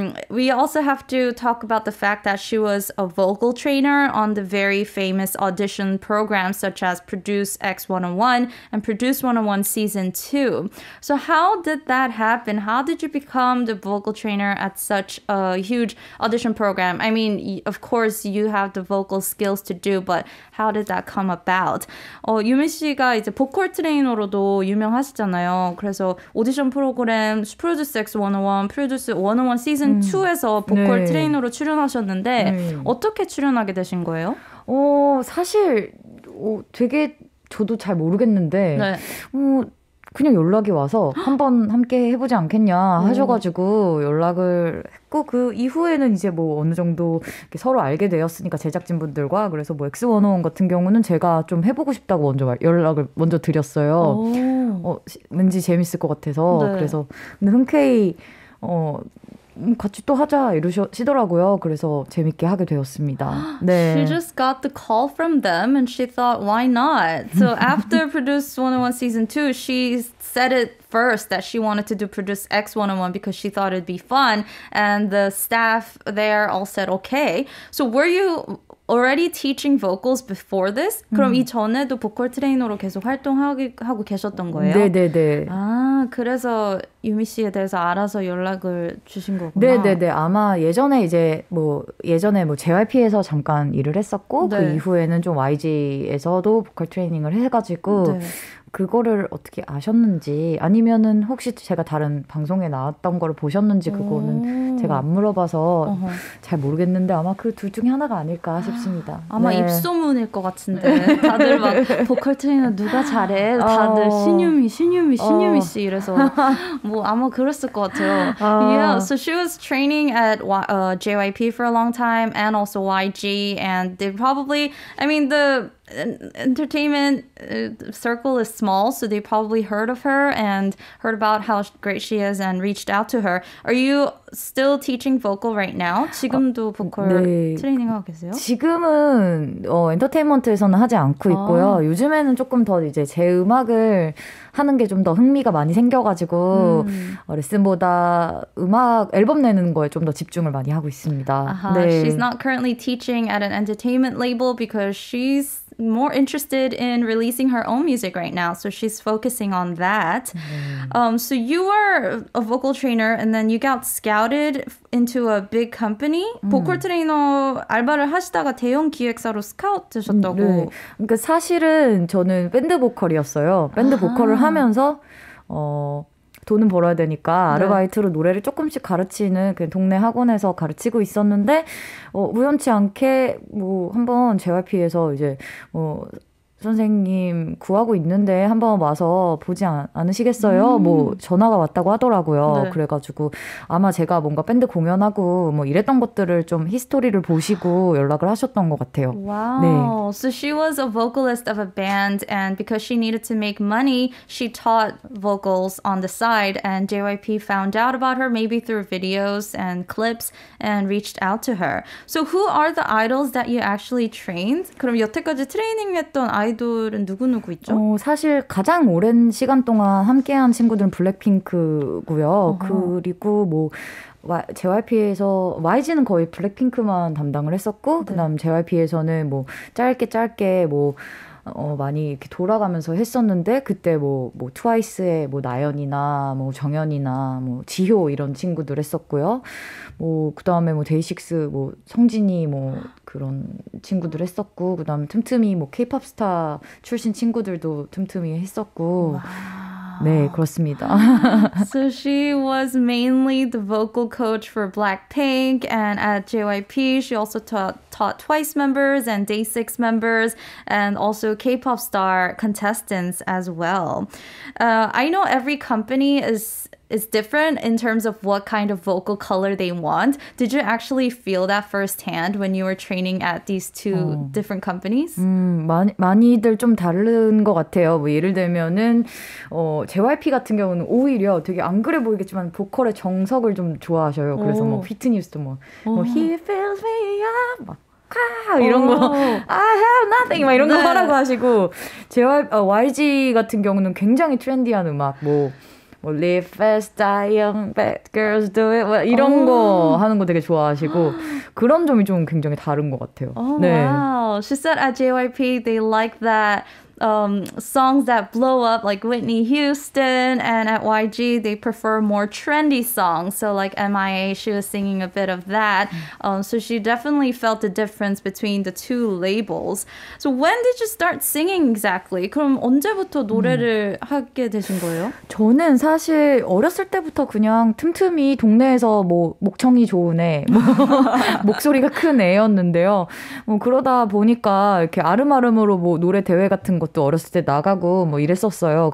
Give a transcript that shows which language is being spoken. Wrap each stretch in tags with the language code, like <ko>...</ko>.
<en>We also have to talk about the fact that she was a vocal trainer on the very famous audition programs such as Produce X 101 and Produce 101 Season 2. So how did that happen? How did you become the vocal trainer at such a huge audition program? I mean, of course, you have the vocal skills to do, but how did that come about?</en> <ko>유미 씨가 이제 보컬 트레이너로도 유명하시잖아요. 그래서 오디션 프로그램, Produce X 101, Produce 101 시즌 2에서 보컬 네. 트레이너로 출연하셨는데 어떻게 출연하게 되신 거예요? 사실 되게 저도 잘 모르겠는데 네. 그냥 연락이 와서 한번 함께 해보지 않겠냐 하셔가지고 연락을 했고 그 이후에는 이제 뭐 어느 정도 이렇게 서로 알게 되었으니까 제작진분들과 그래서 뭐 X101 같은 경우는 제가 좀 해보고 싶다고 먼저 연락을 먼저 드렸어요. 왠지 재밌을 것 같아서 네. 그래서 근데 흔쾌히 같이 또 하자 이러시더라고요. 그래서 재밌게 하게 되었습니다. 네.</ko> <en>She just got the call from them and she thought, why not? So after Produce 101 Season 2, she said it first that she wanted to do Produce X 101 because she thought it'd be fun. And the staff there all said, okay. So were you already teaching vocals before this?</en> <ko>그럼 이전에도 보컬 트레이너로 계속 활동하고 계셨던 거예요? 네. 아, 그래서 유미 씨에 대해서 알아서 연락을 주신 거구나. 네. 아마 예전에 이제 뭐 JYP에서 잠깐 일을 했었고 네. 그 이후에는 좀 YG에서도 보컬 트레이닝을 해가지고 네. 그거를 어떻게 아셨는지 아니면은 혹시 제가 다른 방송에 나왔던 걸 보셨는지 그거는 제가 안 물어봐서 잘 모르겠는데 아마 그 둘 중에 하나가 아닐까 싶습니다. 아마 네. 입소문일 것 같은데 다들 막 보컬 트레이너 누가 잘해? 다들 신유미 씨 이래서 뭐 아마 그랬을 것 같아요.</ko> <en>Yeah, so she was training at JYP for a long time and also YG and they probably, I mean the entertainment circle is small, so they probably heard of her and heard about how great she is and reached out to her. Are you still teaching vocal right now?</en> <ko>지금도 보컬 네. 트레이닝 하고 계세요? 지금은 엔터테인먼트에서는 하지 않고 있고요. 요즘에는 조금 더 이제 제 음악을 하는 게 좀 더 흥미가 많이 생겨가지고 레슨보다 음악 앨범 내는 거에 좀 더 집중을 많이 하고 있습니다.</ko> <en>네. She's not currently teaching at an entertainment label because she's more interested in releasing her own music right now. So she's focusing on that. So you were a vocal trainer and then you got scouted into a big company.</en> <ko>보컬 트레이너 알바를 하시다가 대형 기획사로 스카우트 되셨다고. 네. 그러니까 사실은 저는 밴드 보컬이었어요. 밴드 보컬을 하면서 돈은 벌어야 되니까 아르바이트로 네. 노래를 조금씩 가르치는 그 동네 학원에서 가르치고 있었는데 우연치 않게 뭐 한번 JYP에서 이제 선생님 구하고 있는데 한번 와서 보지 않으시겠어요? 뭐 전화가 왔다고 하더라고요. 네. 그래가지고 아마 제가 뭔가 밴드 공연하고 뭐 이랬던 것들을 좀 히스토리를 보시고 연락을 하셨던 것 같아요. 와우. 네.</ko> <en>So she was a vocalist of a band and because she needed to make money, she taught vocals on the side and JYP found out about her maybe through videos and clips and reached out to her. So who are the idols that you actually trained?</en> <ko>그럼 여태까지 트레이닝했던 아이돌은 누구누구 있죠? 사실 가장 오랜 시간 동안 함께한 친구들은 블랙핑크고요. 그리고 뭐 JYP에서 YG는 거의 블랙핑크만 담당을 했었고 네. 그다음 JYP에서는 뭐 짧게 뭐 많이 이렇게 돌아가면서 했었는데 그때 뭐 트와이스의 뭐 나연이나 뭐 정연이나 뭐 지효 이런 친구들 했었고요. 뭐 그다음에 뭐 데이식스 뭐 성진이 뭐 그런 친구들 했었고 그다음에 틈틈이 뭐 케이팝 스타 출신 친구들도 틈틈이 했었고 네, 그렇습니다.</ko> <en>So she was mainly the vocal coach for Blackpink and at JYP she also taught Twice members and Day6 members and also K-pop star contestants as well. I know every company is different in terms of what kind of vocal color they want. Did you actually feel that firsthand when you were training at these two different companies?</en> <ko>많이들 좀 다른 것 같아요. 뭐 예를 들면은 JYP 같은 경우는 오히려 되게 안 그래 보이겠지만 보컬의 정석을 좀 좋아하셔요. 그래서 뭐 휘트니 휴스턴 뭐</ko> <en>He fills me up</en> <ko>막 이런 거</ko> <en>I have nothing</en> <ko>막 이런 거 하라고 하시고 YG 같은 경우는 굉장히 트렌디한 음악 뭐</ko> <en>Live fast, die young, bad girls do it.</en> <ko>이런 거 하는 거 되게 좋아하시고 그런 점이 좀 굉장히 다른 것 같아요.</ko> <en>Oh, 네. Wow. She said at JYP they like that songs that blow up like Whitney Houston and at YG they prefer more trendy songs. So like MIA, she was singing a bit of that. So she definitely felt the difference between the two labels. So when did you start singing exactly?</en> <ko>그럼 언제부터 노래를 하게 되신 거예요? 저는 사실 어렸을 때부터 그냥 틈틈이 동네에서 뭐 목청이 좋은 애, 뭐 목소리가 큰 애였는데요. 뭐 그러다 보니까 이렇게 아름아름으로 뭐 노래 대회 같은 것도 어렸을 때 나가고 뭐 이랬었어요.</ko>